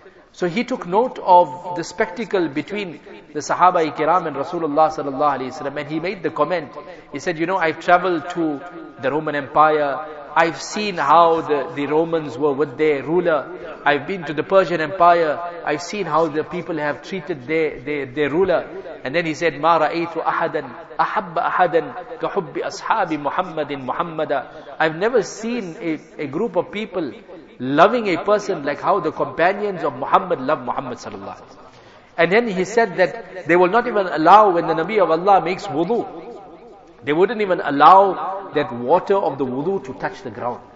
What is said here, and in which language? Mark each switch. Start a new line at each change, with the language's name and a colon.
English: So he took note of the spectacle between the Sahaba-i-Kiram and Rasulullah sallallahu alayhi wa sallam. And he made the comment. He said, you know, I've traveled to the Roman Empire. I've seen how the Romans were with their ruler. I've been to the Persian Empire. I've seen how the people have treated their ruler. And then he said,
Arabic: مَا رَأَيْتُ أَحَدًا أَحَبَّ أَحَدًا كَحُبِّ أَصْحَابِ مُحَمَّدٍ مُحَمَّدًا.
English: I've never seen a group of people loving a person like how the companions of Muhammad love Muhammad sallallahu alayhi wa sallam. And then he said that they will not even allow, when the Nabi of Allah makes wudu, they wouldn't even allow that water of the wudu to touch the ground.